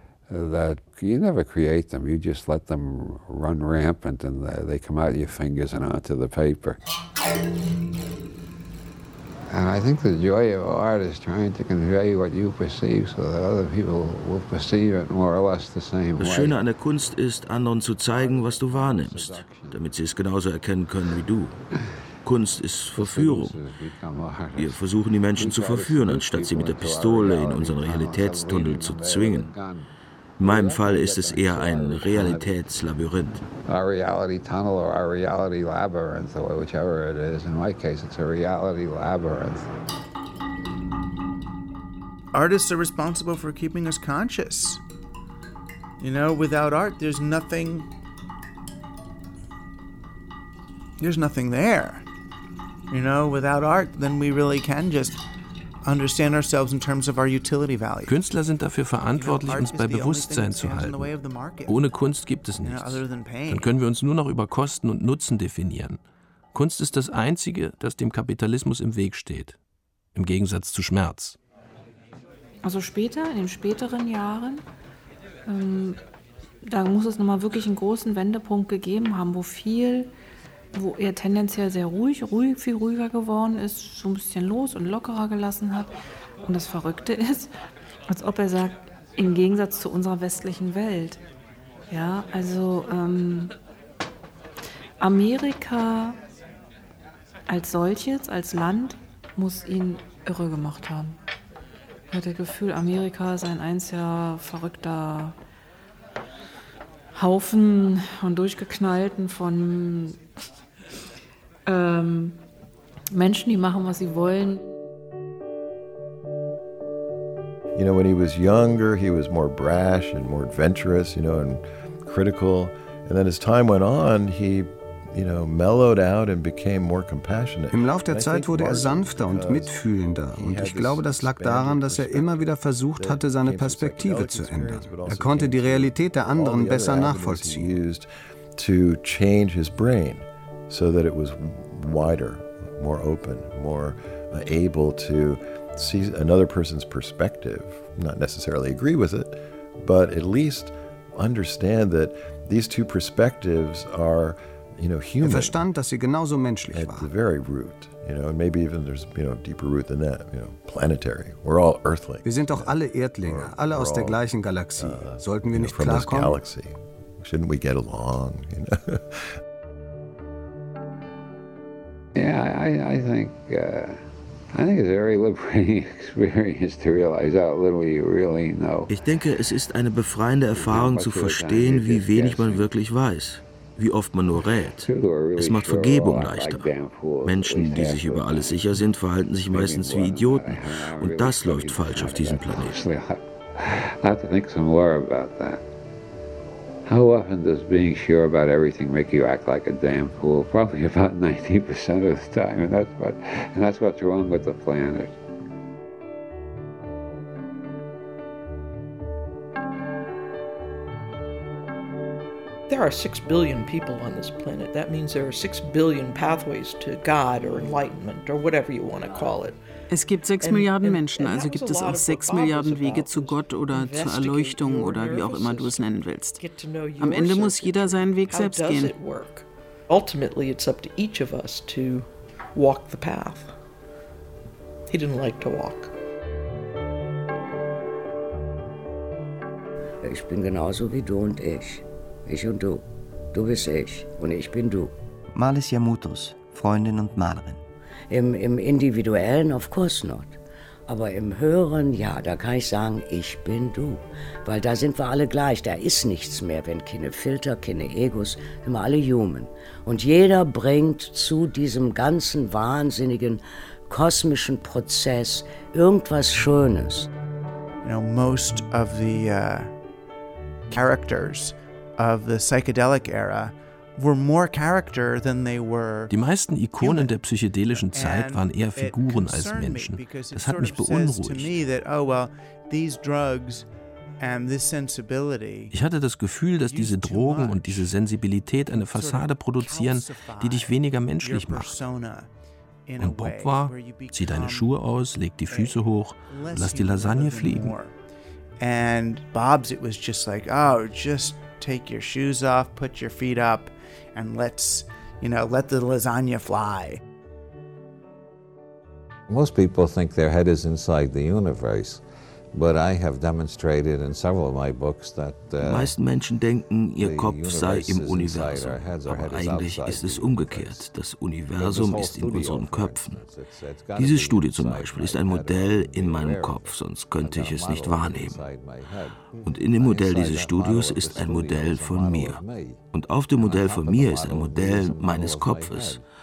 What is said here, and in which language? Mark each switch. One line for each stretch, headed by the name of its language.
English: That you never create them, you just let them run rampant and they come out of your fingers and onto the paper. And I think the joy of art is trying to convey what you perceive so that other people will perceive it more or less the same way.
German: Das Schöne an der Kunst ist, anderen zu zeigen, was du wahrnimmst, damit sie es genauso erkennen können wie du. Kunst ist Verführung. Wir versuchen, die Menschen zu verführen, anstatt sie mit der Pistole in unseren Realitätstunnel zu zwingen. In meinem Fall ist es eher ein Realitätslabyrinth.
English: Our reality tunnel or our reality labyrinth, or whichever it is. In my case, it's a reality labyrinth. Artists are responsible for keeping us conscious. You know, without art, there's nothing there. You know, without art, then we really can just understand ourselves in terms of our utility value.
German: Künstler sind dafür verantwortlich, uns bei Bewusstsein zu halten. Ohne Kunst gibt es nichts. Dann können wir uns nur noch über Kosten und Nutzen definieren. Kunst ist das Einzige, das dem Kapitalismus im Weg steht. im Gegensatz zu Schmerz. Also später, in den späteren Jahren, da muss es nochmal wirklich einen großen Wendepunkt gegeben haben, wo er tendenziell sehr ruhig, viel ruhiger geworden ist, so ein bisschen los und lockerer gelassen hat. Und das Verrückte ist, als ob er sagt, im Gegensatz zu unserer westlichen Welt. Ja, also Amerika als solches, als Land, muss ihn irre gemacht haben. Er hat das Gefühl, Amerika ist ein einziger verrückter Haufen von durchgeknallten, von Menschen, die machen, was sie wollen.
English: You know, when he was younger, he was more brash and more adventurous, you know, and critical. And then as time went on, he, you know, mellowed out and became more compassionate.
German: Im Lauf der Zeit wurde er sanfter und mitfühlender. Und ich glaube, das lag daran, dass er immer wieder versucht hatte, seine Perspektive zu ändern. Er konnte die Realität der anderen besser nachvollziehen.
English: To change his brain, so that it was wider, more open, more able to see another person's perspective, not necessarily agree with it, but at least understand that these two perspectives are, you know, human.
German: Er verstand, dass sie genauso menschlich waren.
English: At the very root, you know, and maybe even there's, you know, a deeper root than that, you know, planetary. We're all earthly.
German: Wir sind doch alle Erdlinge, alle aus der gleichen Galaxie. Sollten wir nicht klarkommen?
English: From this galaxy. Shouldn't we get along, you know? Yeah, I think it's a very liberating experience to realize how little you really know.
German: Ich denke, es ist eine befreiende Erfahrung zu verstehen, wie wenig man wirklich weiß, wie oft man nur rät. Es macht Vergebung leichter. Menschen, die sich über alles sicher sind, verhalten sich meistens wie Idioten, und das läuft falsch auf diesem Planeten.
English: I have to think some more about that. How often does being sure about everything make you act like a damn fool? Probably about 90% of the time, and that's what's wrong with the planet. There are 6 billion people on this planet. That means there are 6 billion pathways to God or enlightenment or whatever you want to call it.
German: Es gibt 6 Milliarden Menschen, also gibt es auch 6 Milliarden Wege zu Gott oder zur Erleuchtung oder wie auch immer du es nennen willst. Am Ende muss jeder seinen Weg selbst gehen.
English: Ultimately it's up to each of us to walk the path. He didn't like to walk.
German: Ich bin genauso wie du und ich. Ich und du. Du bist ich und ich bin du. Malis Yamutos, Freundin und Malerin. Im Individuellen,
English: of course not.
German: Aber im Höheren, ja, da kann ich sagen, ich bin du. Weil da sind wir alle gleich, da ist nichts mehr, wenn keine Filter, keine Egos, sind wir alle human. Und jeder bringt zu diesem ganzen wahnsinnigen kosmischen Prozess irgendwas Schönes.
English: You know, most of the characters of the psychedelic era were more character than they were.
German: Die meisten Ikonen der psychedelischen Zeit waren eher Figuren als Menschen. Das hat mich beunruhigt. Ich hatte das Gefühl, dass diese Drogen und diese Sensibilität eine Fassade produzieren, die dich weniger menschlich macht. Und Bob war: Zieh deine Schuhe aus, leg die Füße hoch, lass die Lasagne fliegen.
English: And Bob's, it was just like, oh, just take your shoes off, put your feet up. And let's, you know, let the lasagna fly. Most people think their head is inside the universe, but I have demonstrated in several of my books that.
German: Meisten Menschen denken, ihr Kopf sei im Universum, aber eigentlich ist es umgekehrt. Das Universum ist in unseren Köpfen. Diese Studie zum Beispiel ist ein Modell in meinem Kopf, sonst könnte ich es nicht wahrnehmen. Und in dem Modell dieses Studios ist ein Modell von mir. Und auf dem Modell von mir ist ein Modell meines Kopfes.